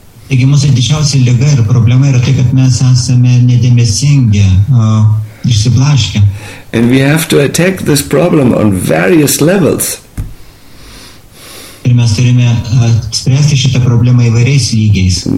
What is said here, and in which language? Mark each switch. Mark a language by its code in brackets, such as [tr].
[lt] Taigi mūsų didžiausia liga ir problema yra tai, kad mes esame nedėmesingi, išsiblaškę. [en] And we have to attack this problem on various levels. [lt] Ir mes turime spręsti šitą problemą įvairiais lygiais.